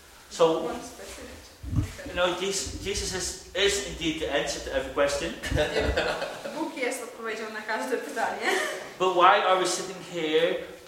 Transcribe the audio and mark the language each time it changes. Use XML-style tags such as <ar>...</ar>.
<en>So, you know, Jesus is indeed the answer to every question.</en> <pl>Bóg jest odpowiedzią na każde pytanie.</pl> <en>But why are we sitting here?</en>